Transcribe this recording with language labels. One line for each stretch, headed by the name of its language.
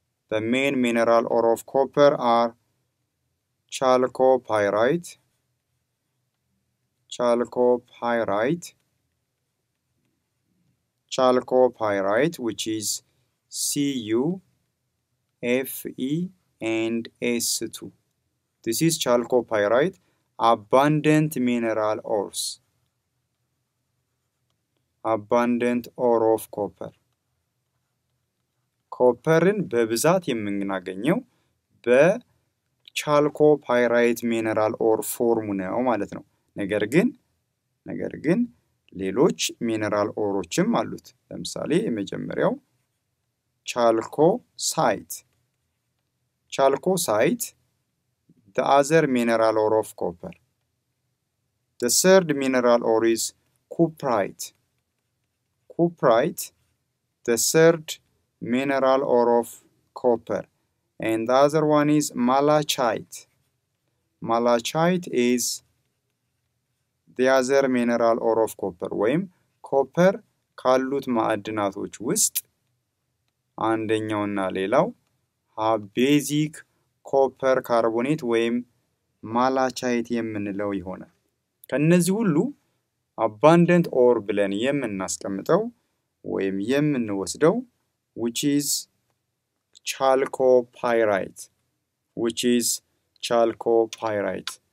English: The main mineral ore of copper are chalcopyrite, which is Cu, Fe, and S2. This is chalcopyrite, abundant ore of copper.
Amharic: ኮፐርን በብዛት የምናገኘው በቻልኮፓይራይት ሚነራል ኦር ፎርሙ ነው ማለት ነው። ነገር ግን ሌሎች ሚነራል ኦሮችም አሉት። ለምሳሌ የመጀመሪያው ቻልኮሳይት
English: the other mineral ore of copper. The third mineral ore is cuprite, the third mineral ore of copper. And the other one is malachite. Malachite is the other mineral ore of copper.
Amharic: ወይም copper ካሉት ማዕድናቶች ውስጥ አንደኛውና ሌላው basic copper carbonate ወይም malachite የምንለው ይሆናል። ከነዚህ ሁሉ abundant ore ብለን የምናስቀምጠው ወይም የምንወስደው
English: which is chalcopyrite, which is chalcopyrite.